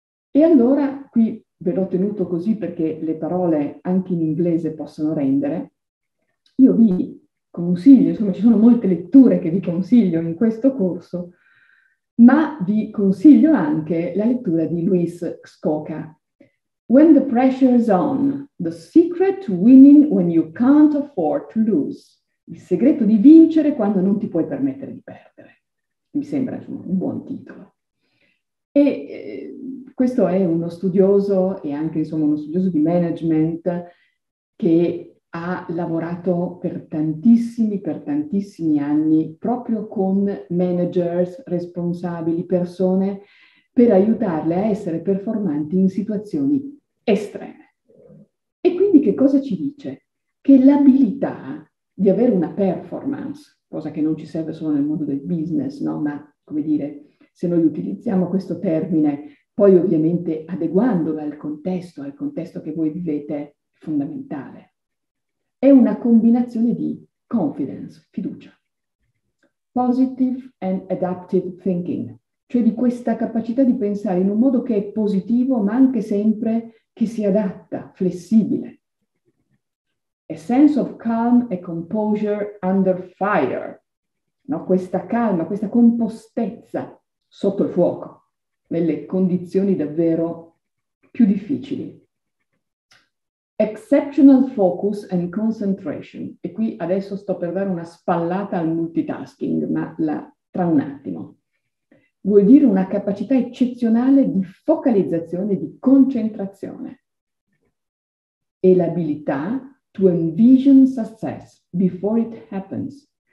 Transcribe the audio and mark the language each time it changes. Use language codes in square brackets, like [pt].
[it] E allora, qui ve l'ho tenuto così perché le parole anche in inglese possono rendere, io vi consiglio, insomma ci sono molte letture che vi consiglio in questo corso, ma vi consiglio anche la lettura di Luis Scocca. [en] When the pressure is on, the secret to winning when you can't afford to lose. [it] Il segreto di vincere quando non ti puoi permettere di perdere. Mi sembra un buon titolo. E questo è uno studioso e anche insomma uno studioso di management che ha lavorato per tantissimi anni proprio con managers, responsabili, persone per aiutarle a essere performanti in situazioni estreme. E quindi che cosa ci dice? Che l'abilità di avere una performance, cosa che non ci serve solo nel mondo del business, no? Ma come dire, se noi utilizziamo questo termine, poi ovviamente adeguandolo al contesto che voi vivete, è fondamentale. È una combinazione di confidence, fiducia. [en] Positive and adaptive thinking, [it] cioè di questa capacità di pensare in un modo che è positivo, ma anche sempre che si adatta, flessibile. [en] A sense of calm and composure under fire. [it] No? Questa calma, questa compostezza sotto il fuoco, nelle condizioni davvero più difficili. [en] Exceptional focus and concentration. [it] E qui adesso sto per dare una spallata al multitasking, ma tra un attimo. Vuol dire una capacità eccezionale di focalizzazione, di concentrazione. E l'abilità [en] to envision success before it happens.